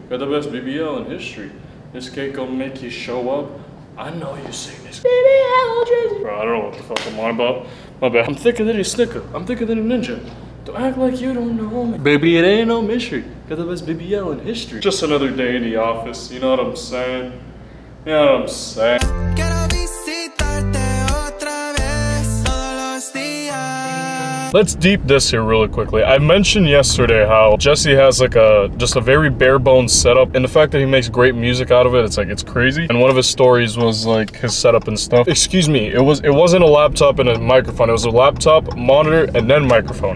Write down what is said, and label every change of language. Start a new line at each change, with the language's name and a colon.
English: You're the best BBL in history. This cake gonna make you show up. I know you seen this. Baby, Aldrin. Bro, I don't know what the fuck I'm on about. My bad. I'm thicker than a snicker. I'm thicker than a ninja. Don't act like you don't know me. Baby, it ain't no mystery. Got the best BBL in history. Just another day in the office. You know what I'm saying? You know what I'm saying?
Spanish: Quiero visitarte otra vez todos los días.
English: Let's deep this here really quickly. I mentioned yesterday how Jesse has like a very bare bones setup, and the fact that he makes great music out of it, it's like, it's crazy. And one of his stories was like his setup and stuff. Excuse me, it wasn't a laptop and a microphone. It was a laptop, monitor, and then microphone.